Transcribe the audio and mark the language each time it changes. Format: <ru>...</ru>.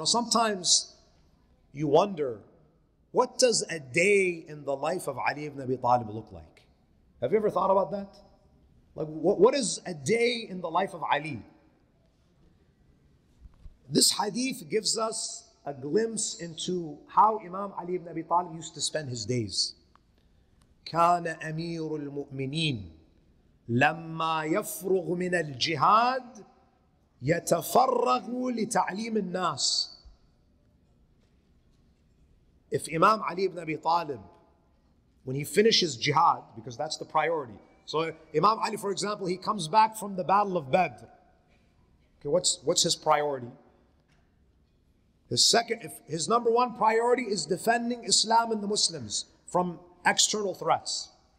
<en>You know, sometimes you wonder, what does a day in the life of Ali ibn Abi Talib look like? Have you ever thought about that? Like, what is a day in the life of Ali? This hadith gives us a glimpse into how Imam Ali ibn Abi Talib used to spend his days.</en> <ar>كان أمير المؤمنين لما يفرغ من الجهاد يتفرغ لتعليم الناس.</ar> <en>If Imam Ali ibn Abi Talib, when he finishes jihad, because that's the priority. So Imam Ali, for example, he comes back from the Battle of Badr. Okay, what's his priority? His number one priority is defending Islam and the Muslims from external threats.</en>